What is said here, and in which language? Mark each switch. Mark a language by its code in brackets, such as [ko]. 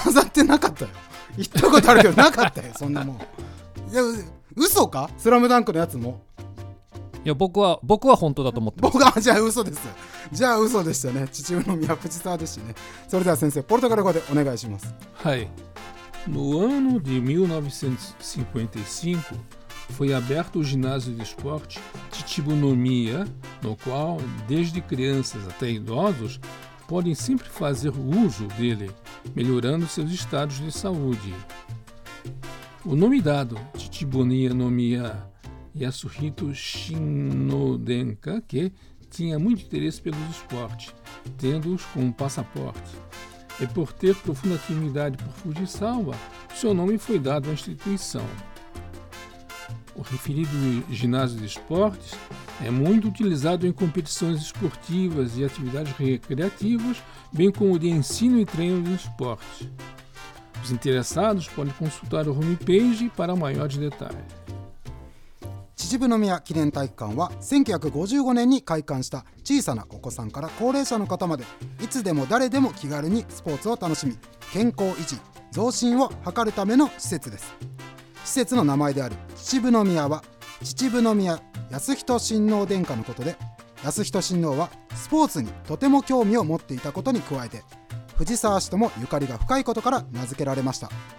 [ja] 飾ってなかったよ、言ったことあるけどなかったよそんなもん。いや嘘か、スラムダンクのやつも。いや僕は本当だと思ってます。僕はじゃあ嘘です。じゃあ嘘でしたね。秩父の宮藤沢ですしね。それでは先生、ポルトガル語でお願いします。はい。 [pt] No ano de 1955 foi aberto o ginásio de esporte Tichibunomiya, no qual desde crianças até idosos podem sempre fazer uso dele, melhorando seus estados de saúde. O nome dado Tichibunomiya Yasuhito Shinodenka, que tinha muito interesse pelo esporte, tendo-os como passaporte. E por ter profunda afinidade por Fujisawa, seu nome foi dado à instituição. O referido ginásio de esportes é muito utilizado em competições esportivas e atividades recreativas, bem como de ensino e treino de esporte. Os interessados podem consultar o homepage para maiores detalhes. [ja] 秩父宮記念体育館は1955年に開館した。小さなお子さんから高齢者の方までいつでも誰でも気軽にスポーツを楽しみ、健康維持増進を図るための施設です。施設の名前である秩父宮は秩父宮康仁親王殿下のことで、康仁親王はスポーツにとても興味を持っていたことに加えて藤沢氏ともゆかりが深いことから名付けられました。